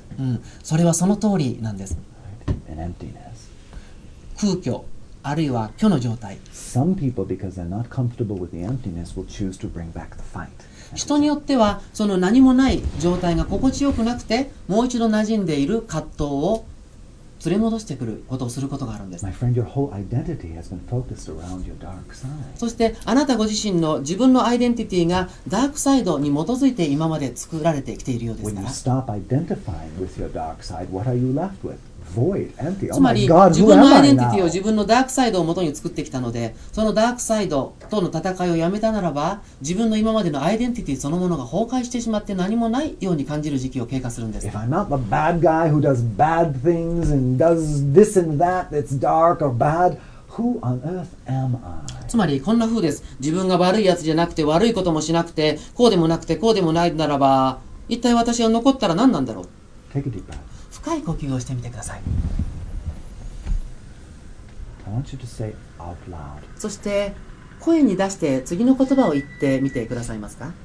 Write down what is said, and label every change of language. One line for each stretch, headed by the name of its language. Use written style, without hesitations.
Japanese: うん、それはその通りなんです。
English: An emptiness.
Japanese: 空虚、あるいは虚の状態。
English: Some people, because they're not comfortable with the emptiness, will choose to bring back the fight.
Japanese: 人によってはその何もない状態が心地よくなくて、もう一度馴染んでいる葛藤を連れ戻してくることをすることがあるんです。
English: My friend, your whole identity has been focused around your dark side.
Japanese: そしてあなたご自身の自分のアイデンティティがダークサイドに基づいて今まで作られてきているようですから。
English: When you stop identifying with your dark side, what are you left with? Void, empty.
Japanese: つまり、自分のアイデンティティを自分のダークサイドを元に作ってきたので、そのダークサイドとの戦いをやめたならば、自分の今までのアイデンティティそのものが崩壊してしまって何もないように感じる時期を経過するんです。
English: If I'm not the bad guy who does bad things and does this and that that's dark or bad, who on earth am I?
Japanese: つまりこんな風です。自分が悪いやつじゃなくて悪いこともしなくて、こうでもなくてこうでもないならば、一体私が残ったら何なんだろう。
English: Take a deep breath.
Japanese: 深い呼吸をしてみてください。
English: I want you to say out loud.
Japanese: そして声に出して次の言葉を言ってみてくださいますか。